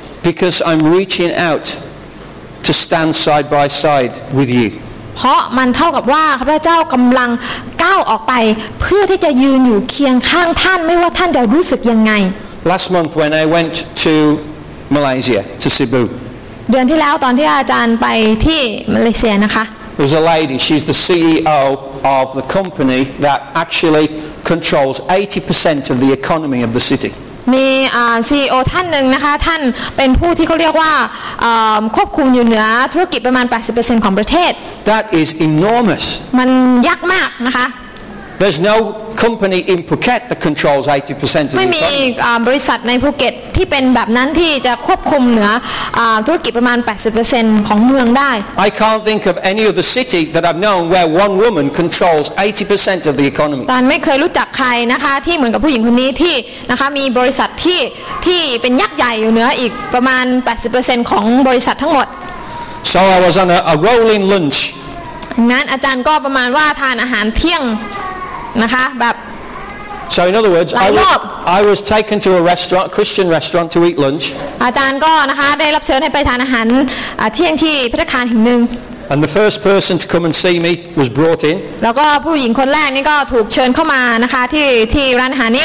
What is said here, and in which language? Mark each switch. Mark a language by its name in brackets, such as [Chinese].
[English] Because I'm reaching out to stand side by side with you. [Thai] เพราะมันเท่ากับว่าข้าพเจ้ากำลังก้าวออกไปเพื่อที่จะยืนอยู่เคียงข้างท่านไม่ว่าท่านจะรู้สึกยังไง [English] Last month when I went to Malaysia to Cebu. [Thai] เดือนที่แล้วตอนที่อาจารย์ไปที่มาเลเซียนะคะ [English] There was a lady. She's the CEO of the company that actually controls 80% of the economy of the city. [Thai] มี CEO ท่านนึงนะคะท่านเป็นผู้ที่เขาเรียกว่าควบคุมอยู่เหนือธุรกิจประมาณ 80% ของประเทศ [English] That is enormous [Thai] มันยักษ์มากนะคะ [English] There's no company in Phuket that controls 80% of the [Thai] economy. ไม่มีบริษัทในภูเก็ตที่เป็นแบบนั้นที่จะควบคุมเหนือธุรกิจประมาณ 80% ของเมืองได้ [English] I can't think of any other city that I've known where one woman controls 80% of the economy. [Thai] ตอนไม่เคยรู้จักใครนะคะที่เหมือนกับผู้หญิงคนนี้ที่นะคะมีบริษัทที่เป็นยักษ์ใหญ่อยู่เหนืออีกประมาณ 80% ของบริษัททั้งหมด [English] So I was on a rolling lunch. [Thai] งั้นอาจารย์ก็ประมาณว่าทานอาหารเที่ยงนะคะแบบ [English] So in other words I was taken to a restaurant a Christian restaurant to eat lunch [Thai] อาจารย์ก็นะคะได้รับเชิญให้ไปทานอาหารเที่ยงที่ภัตตาคารแห่งหนึ่ง [English] And the first person to come and see me was brought in [Thai] แล้วก็ผู้หญิงคนแรกนี่ก็ถูกเชิญเข้ามานะคะที่ร้านอาหารนี